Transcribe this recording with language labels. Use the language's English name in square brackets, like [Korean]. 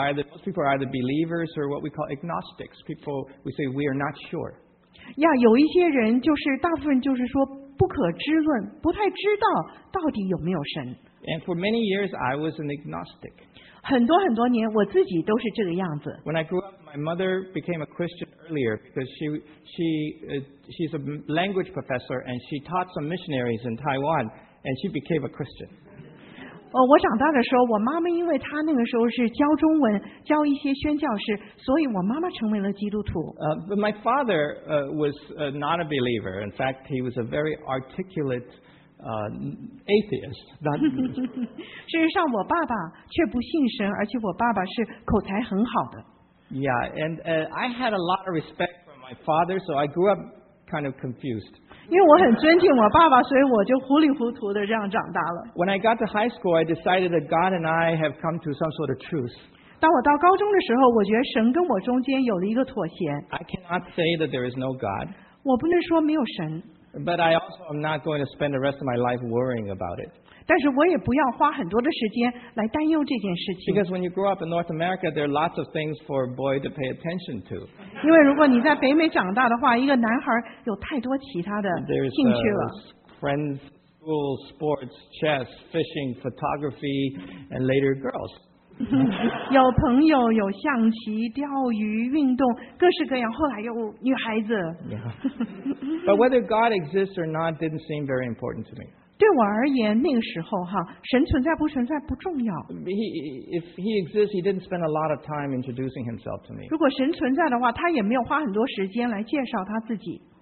[English] Most people are either believers or what we call agnostics. People we say we are not sure. [Chinese] 有一些人就是大部分就是说不可知论，不太知道到底有没有神。 [English] And for many years, I was an agnostic. [Chinese] 很多很多年，我自己都是这个样子。 [English] When I grew up, my mother became a Christian earlier because she's a language professor and she taught some missionaries in Taiwan and she became a Christian. [Chinese] 我长大的时候，我妈妈因为她那个时候是教中文，教一些宣教士，所以我妈妈成为了基督徒。 [English] But my father was not a believer. In fact, he was a very articulate. Atheist. [Chinese] 事实上，我爸爸却不信神，而且我爸爸是口才很好的。 [English] Yeah, and I had a lot of respect for my father, so I grew up kind of confused. [Chinese] 因为我很尊敬我爸爸，所以我就糊里糊涂的这样长大了。 [English] When I got to high school, I decided that God and I have come to some sort of truce. [Chinese] 当我到高中的时候，我觉得神跟我中间有了一个妥协。 [English] I cannot say that there is no God. [Chinese] 我不能说没有神。 [English] But I also am not going to spend the rest of my life worrying about it. [Chinese] 但是我也不要花很多的时间来担忧这件事情。 [English] Because when you grow up in North America, there are lots of things for a boy to pay attention to. [Chinese] 因为如果你在北美长大的话，一个男孩有太多其他的兴趣了。 [English] There's friends, school, sports, chess, fishing, photography, and later girls. [Chinese] 有朋友，有象棋、钓鱼、运动，各式各样。后来又女孩子。 [English] But whether God exists or not didn't seem very important to me. [Chinese] 对我而言，那个时候哈，神存在不存在不重要。 [English] If he exists, he didn't spend a lot of time introducing himself to me. [Chinese] 如果神存在的话，他也没有花很多时间来介绍他自己。